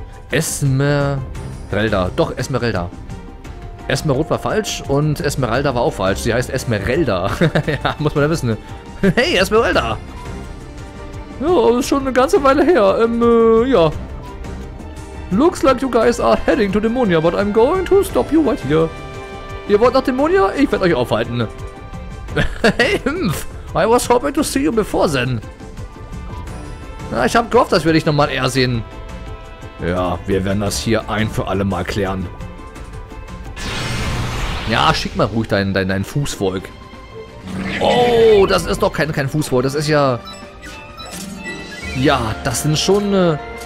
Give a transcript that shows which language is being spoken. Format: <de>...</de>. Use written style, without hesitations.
<de>Esmeralda. Doch, Esmeralda. Esmerod war falsch und Esmeralda war auch falsch. Sie heißt Esmeralda. Ja, muss man ja wissen. Hey, Esmeralda. Ja, das ist schon eine ganze Weile her. Ja.</de> <en>Looks like you guys are heading to Dämonia, but I'm going to stop you right here.</en> <de>Ihr wollt nach Dämonia? Ich werde euch aufhalten. Hey, Impf!</de> <en>I was hoping to see you before then.</en> <de>Na, ich hab gehofft, dass wir dich nochmal eher sehen. Ja, wir werden das hier ein für alle Mal klären. Ja, schick mal ruhig dein Fußvolk. Oh, das ist doch kein Fußvolk, das ist ja... Ja, das sind schon...</de>